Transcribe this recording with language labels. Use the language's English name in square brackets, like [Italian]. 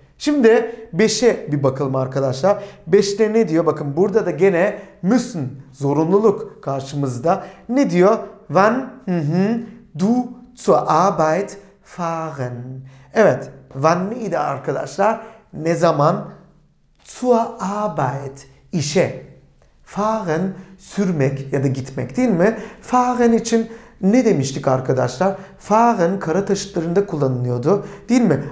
[Turkish] Şimdi 5'e bir bakalım arkadaşlar. 5'te ne diyor? Bakın burada da gene müssen, zorunluluk karşımızda. Ne diyor? [German] Wann du zur Arbeit fahren? [Turkish] Evet, wann neydi arkadaşlar? Ne zaman? Zur Arbeit, işe. Fahren, sürmek ya da gitmek değil mi? Fahren için ne demiştik arkadaşlar? Fahren kara taşıtlarında kullanılıyordu. Değil mi?